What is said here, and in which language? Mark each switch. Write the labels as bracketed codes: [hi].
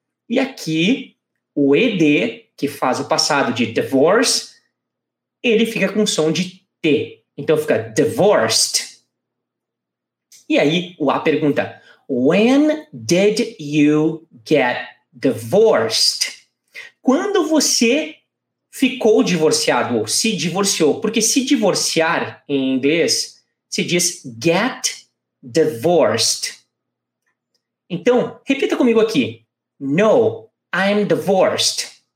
[pt] E aqui, o ED, que faz o passado de divorce, ele fica com som de T. Então, fica divorced. E aí, o A pergunta, [en] when did you get divorced? [pt] Quando você ficou divorciado ou se divorciou? Porque se divorciar, em inglês, se diz [en] get divorced. [pt] Então, repita comigo aqui. [en] No, I'm divorced.